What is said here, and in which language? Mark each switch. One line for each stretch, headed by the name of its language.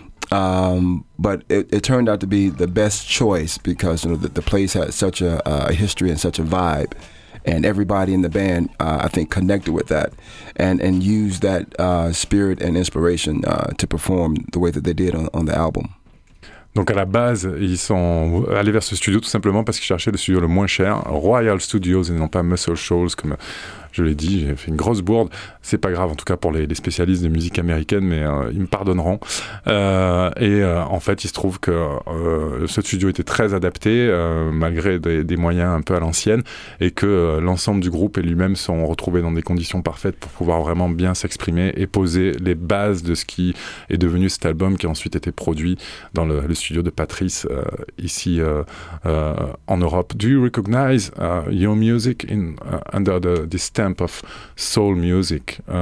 English: But it turned out to be the best choice because, you know, the place had such a history and such a vibe. And everybody in the band, I think, connected with that and used that spirit and inspiration to perform the way that they did on the album.
French: Donc à la base, ils sont allés vers ce studio tout simplement parce qu'ils cherchaient le studio le moins cher, Royal Studios et non pas Muscle Shoals, comme je l'ai dit, j'ai fait une grosse bourde. C'est pas grave, en tout cas pour les spécialistes de musique américaine, mais ils me pardonneront. En fait, il se trouve que ce studio était très adapté, malgré des moyens un peu à l'ancienne, et que l'ensemble du groupe et lui-même sont retrouvés dans des conditions parfaites pour pouvoir vraiment bien s'exprimer et poser les bases de ce qui est devenu cet album qui a ensuite été produit dans le studio de Patrice, ici en Europe.
English: Do you recognize your music under this stamp of soul music?